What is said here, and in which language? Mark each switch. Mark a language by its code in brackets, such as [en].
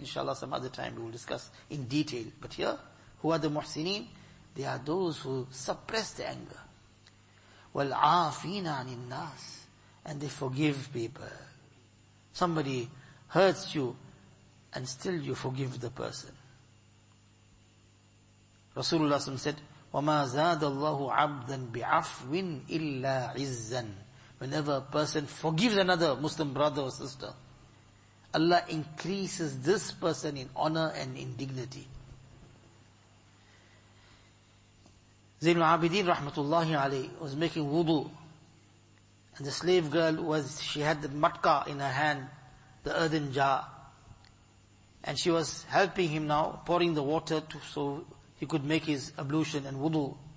[en] InshaAllah, some other time we will discuss in detail. But here, who are the muhsineen? They are those who suppress the anger. [ar] وَالْعَافِينَ عَنِ النَّاسِ. [en] And they forgive people. Somebody hurts you and still you forgive the person. [ar] Rasulullah said, وَمَا زَادَ اللَّهُ عَبْدًا بِعَفْوٍ إِلَّا عِزًّا. [en] Whenever a person forgives another Muslim brother or sister, Allah increases this person in honor and in dignity. Zain al-Abidin rahmatullahi alayhi was making wudu, and the slave girl she had the matka in her hand, the earthen jar, and she was helping him now, pouring the water so he could make his ablution and wudu.